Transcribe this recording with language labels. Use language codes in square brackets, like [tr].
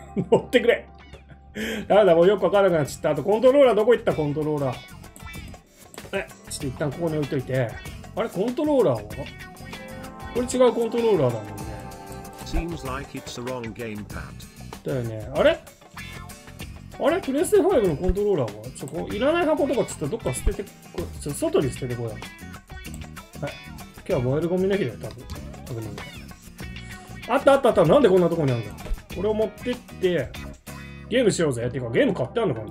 [ja] 乗ってくれ。やだ、もうよくわからなくなっちゃった。あとコントローラーどこ行った？コントローラー。ちょっと一旦ここに置いといて。あれ、コントローラーは？これ違うコントローラーだもんね。 [en] Seems like it's the wrong gamepad。 [ja] だよね。あれプレステ5のコントローラーはちょ、いらない箱とかつったらどっか捨てて、こちょ外に捨ててこよう。はい。今日は燃えるゴミの日だよ、多分。あったあったあった。なんでこんなとこにあるんだ。これを持ってって、ゲームしようぜ。っていうか、ゲーム買ってあるのかな？